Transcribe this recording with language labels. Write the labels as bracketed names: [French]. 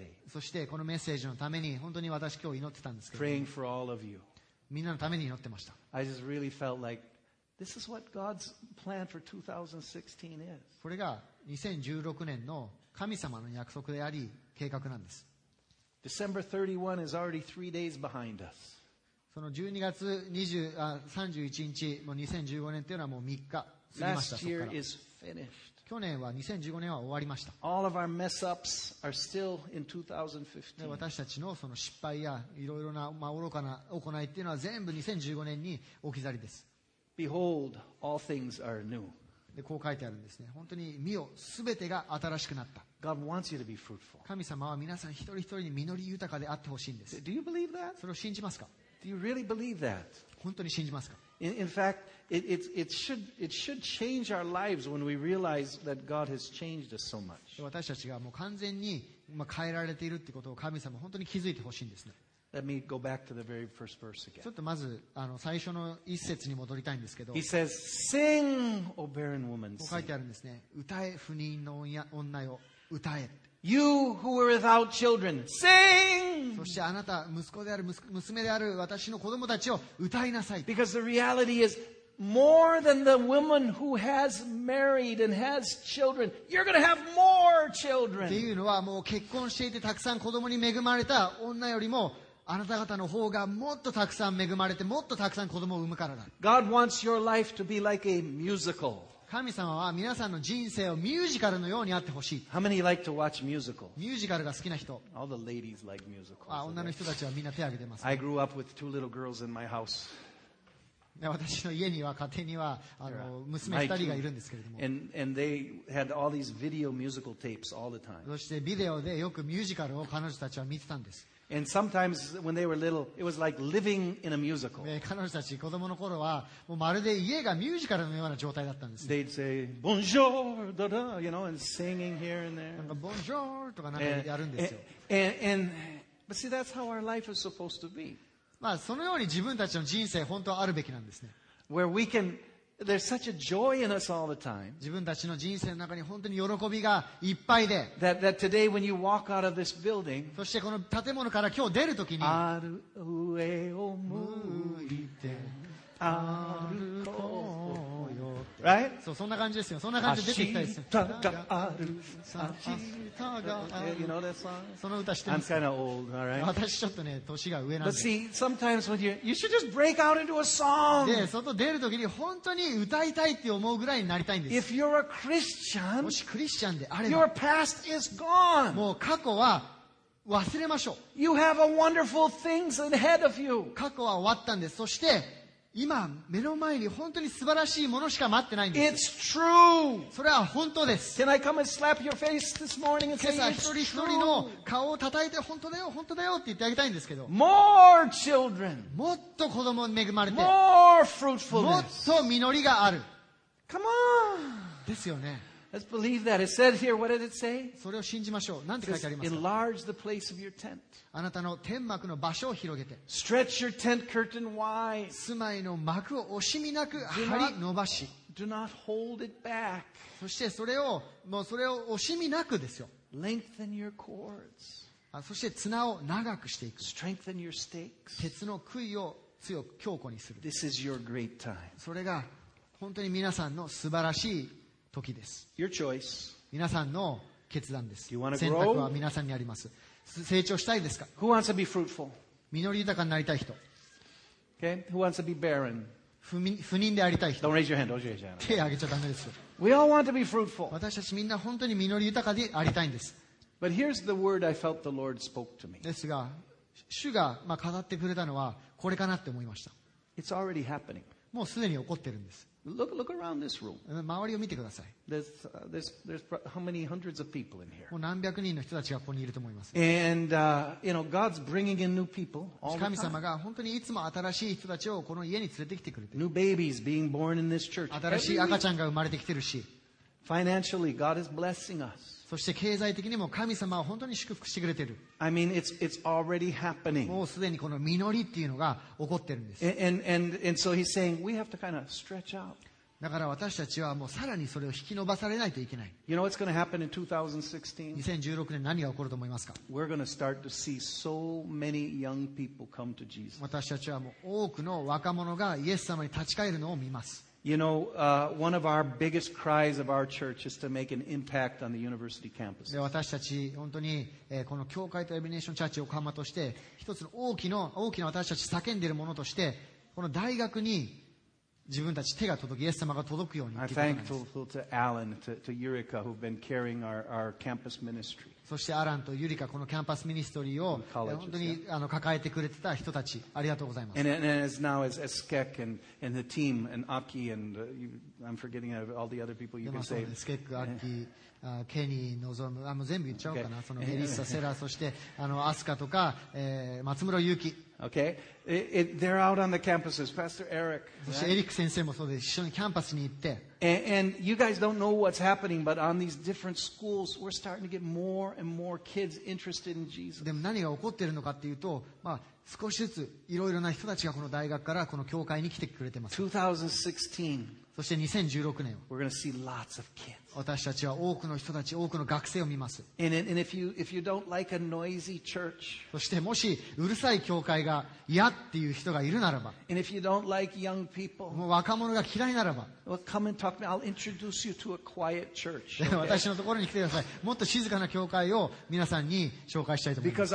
[Japanese] そしてこのメッセージのために本当に私今日祈ってたんですけど、ね、みんなのために祈ってました。 [English] I just really felt like this is what God's plan for 2016 is. [Japanese] これが2016年の神様の約束であり計画なんです。 [English] December 31 is already 3 days behind us. [Japanese] その12月20あ31日もう2015年というのはもう3日。 [English] Last year is finished. [Japanese] 去年は2015年は終わりました。 [English] All of our mess ups are still in 2015. [Japanese] 私たちのその失敗やいろいろな、まあ、愚かな行いっていうのは全部2015年に置き去りです。 [English] Behold, all things are new. [Japanese] でこう書いてあるんですね。本当に見よ、すべてが新しくなった。 [English] God wants you to be fruitful. [Japanese] 神様は皆さん一人一人に実り豊かであってほしいんです。 [English] Do you believe that? [Japanese] それを信じますか? [English] Do you really believe that? [Japanese] 本当に信じますか? [English] In fact,It should change our lives when we realize that God has changed us so much. [Japanese] 私たちがもう完全に変えられているってことを神様本当に気づいてほしいんですね。 [English] Let me go back to the very first verse again. [Japanese] ちょっとまず最初の一節に戻りたいんですけど。 [English] He says, "Sing, O barren woman." [Japanese] こう書いてあるんですね。歌え、不妊の女よ、歌え。 [English] You who were without children, sing! [Japanese] そしてあなた息子である娘である私の子供たちを歌いなさい。 [English] Because the reality is. More than the woman who has married and has children, you're going to have more children. [Japanese] っていうのはもう結婚していてたくさん子供に恵まれた女よりもあなた方の方がもっとたくさん恵まれてもっとたくさん子供を産むからだ。 [English] God wants your life to be like a musical. [Japanese] 神様は皆さんの人生をミュージカルのようにあってほしい。 [English] How many like to watch musicals? [Japanese] ミュージカルが好きな人。 [English] All the ladies like musicals. [Japanese] あ、女の人たちはみんな手を挙げてます、ね。 [English] I grew up with two little girls in my house. [Japanese] 私の家には家庭にはあの娘2人がいるんですけれども [English] and they had all these video musical tapes all the time. [Japanese] そしてビデオでよくミュージカルを彼女たちは見てたんです。 [English] And sometimes when they were little, it was like living in a musical. [Japanese] 彼女たち子供の頃はもうまるで家がミュージカルのような状態だったんです。 [English] They'd say bonjour, da da, you know, and singing here and there. [Japanese] なんか bonjour とかなんかやるんですよ。 [English] And but see, that's how our life is supposed to be. [Japanese] まあそのように自分たちの人生本当はあるべきなんですね。 [English] Where we can, there's such a joy in us all the time. [Japanese] 自分たちの人生の中に本当に喜びがいっぱいで。 [English] That today when you walk out of this building, [Japanese] そしてこの建物から今日出るときに、ある上を向いて歩こうよ。 [English] Right? [Japanese] そう、そんな感じですよ。そんな感じで出てきたいですよ。明日がある。明日がある。 [English] You know that song? [Japanese] その歌知ってます。 [English] I'm kind of old, alright? [Japanese] 私ちょっとね、年が上なんで。 [English] But see, sometimes when you should just break out into a song! [Japanese] で、外出るときに本当に歌いたいって思うぐらいになりたいんです。 [English] If you're a Christian, [Japanese] もしクリスチャンであれば、 [English] your past is gone! [Japanese] もう過去は忘れましょう。 [English] You have a wonderful things ahead of you! [Japanese] 過去は終わったんです。そして、今目の前に本当に素晴らしいものしか待ってないんです。 [English] It's true. [Japanese] それは本当です。 [English] Can I come and slap your face this morning and say it's true? [Japanese] 今朝一人一人の顔を叩いて本当だよ本当だよって言ってあげたいんですけど。 [English] More children. [Japanese] もっと子供に恵まれて。 [English] More fruitfulness. [Japanese] もっと実りがある。 [English] Come on. [Japanese] ですよね。 [English] Let's believe that. It says here, what did it say? [Japanese] それを信じましょう。なんて書いてありますか? [English] Enlarge the place of your tent. [Japanese] あなたの天幕の場所を広げて。 [English] Stretch your tent curtain wide. [Japanese] 住まいの幕を惜しみなく張り伸ばし。 [English] Do not hold it back. [Japanese] そしてそれを、もうそれを惜しみなくですよ。 [English] Lengthen your cords. [Japanese] そして綱を長くしていく。 [English] Strengthen your stakes. [Japanese] 鉄の杭を強く強固にする。 [English] This is your great time. [Japanese] それが本当に皆さんの素晴らしい時です。 [English] Your choice. [Japanese] 皆さんの決断です。 [English] You wanna grow? [Japanese] 選択は皆さんにあります。成長したいですか? [English] Who wants to be fruitful? [Japanese] 実り豊かになりたい人。 [English] Okay. Who wants to be barren? [Japanese] 不妊でありたい人。 [English] Don't raise your hand. Don't raise your hand. [Japanese] 手を挙げちゃダメです。 [English] We all want to be fruitful. [Japanese] 私たちみんな本当に実り豊かでありたいんです。 [English] But here's the word I felt the Lord spoke to me. [Japanese] ですが、主がまあ語ってくれたのはこれかなって思いました。 [English] It's already happening. [Japanese] もうすでに起こってるんです。 [English] Look around this room. [Japanese] 周りを見てください。 [English] There's how many hundreds of people in here? [Japanese] もう何百人の人たちがここにいると思います。 [English] And you know, God's bringing in new people all the time. [Japanese] 神様が本当にいつも新しい人たちをこの家に連れてきてくれて。 [English] New babies being born in this church. [Japanese] 新しい赤ちゃんが生まれてきてるし。 [English] Financially, God is blessing us. [Japanese] そして経済的にも神様は本当に祝福してくれてる。 [English] I mean, it's already happening. [Japanese] もうすでにこの実りっていうのが起こってるんです。 [English] And so he's saying, we have to kind of stretch out. [Japanese] だから私たちはもうさらにそれを引き伸ばされないといけない。 [English] You know what's going to happen in 2016? [Japanese] 2016年何が起こると思いますか? [English] We're going to start to see so many young people come to Jesus. [Japanese] 私たちはもう多くの若者がイエス様に立ち返るのを見ます。 [English] You know, one of our biggest cries of our church is to make an impact on the university campus. [Japanese] で、私たち本当に、この教会とエビネーションチャーチを横浜として、一つの大きな私たち叫んでいるものとして、この大学に自分たち手が届く、イエス様が届くようにということなんです。 [English] I'm thankful to Alan, to Eureka, who've been carrying our campus ministry. [Japanese] そしてアランとユリカ、このキャンパスミニストリーを本当に、yeah. 抱えてくれてた人たち、ありがとうございます。 [English] And as now as Eskek and the team and Aki and I'm forgetting all the other people you can say. [Japanese] Eskek, Aki, Kenny, Nozom, 全部言っちゃおうかな。Okay. そのメリッサ、セラ、そしてアスカとか、松村ゆうき。 [English] Okay. They're out on the campuses. Pastor Eric. [Japanese] そしてエリック先生もそうです。一緒にキャンパスに行って。 [English] And you guys don't know what's happening, but on these different schools, we're starting to get more and more kids interested in Jesus. [Japanese] でも何が起こっているのかっていうと、まあ少しずついろいろな人たちがこの大学からこの教会に来てくれてます。 [English] 2016. [Japanese] そして2016年。 [English] We're going to see lots of kids. [Japanese] 私たちは多くの人たち、多くの学生を見ます。 [English] And if you don't like a noisy church. [Japanese] そしてもしうるさい教会が嫌っていう人がいるならば。 [English] And if you don't like young people. [Japanese] もう若者が嫌いならば。 [English] Well, come and talk to me. I'll introduce you to a quiet church. [Japanese] 私のところに来てください。もっと静かな教会を皆さんに紹介したいと思います。